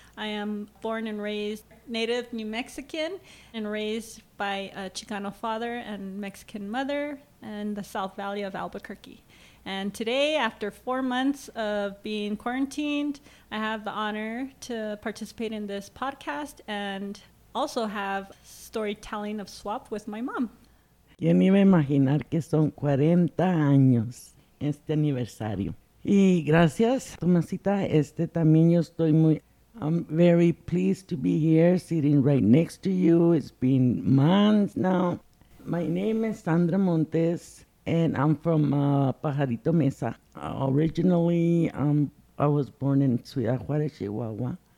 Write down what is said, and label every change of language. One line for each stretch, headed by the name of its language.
English: I am born and raised native New Mexican and raised by a Chicano father and Mexican mother in the South Valley of Albuquerque. And today, after 4 months of being quarantined, I have the honor to participate in this podcast and also have storytelling of SWOP with my mom.
Spanish: ¿Quién iba a imaginar que son 40 años este aniversario? Y gracias, Tomasita. También yo estoy muy...
English: I'm very pleased to be here, sitting right next to you. It's been months now. My name is Sandra Montes, and I'm from Pajarito Mesa. Originally, I was born in Ciudad Juárez, Chihuahua.